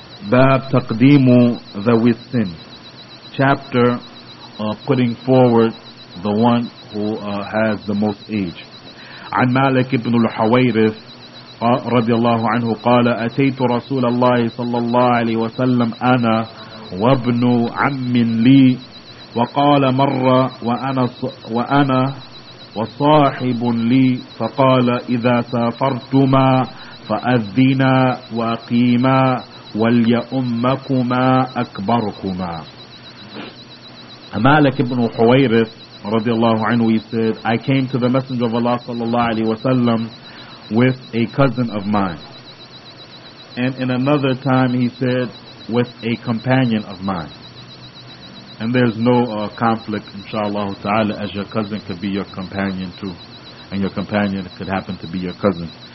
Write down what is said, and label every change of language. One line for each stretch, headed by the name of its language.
Arabic: Bab taqdimu dhawi sin,
English: chapter putting forward the one who has the most age.
Arabic: عن مالك بن الحويرث رضي الله عنه قال أتيت رسول الله صلى الله عليه وسلم أنا وابن عم لي وقال مر وأنا وصاحب لي فقال إذا سافرتما فأذينا وقيما وليأمكما أكبركما.
English: مالك بن الحويرث رضي الله عنه, he said, I came to the Messenger of Allah sallallahu alaihi wasallam with a cousin of mine, and in another time he said with a companion of mine, and there's no conflict, inshallah ta'ala, as your cousin could be your companion too, and your companion could happen to be your cousin.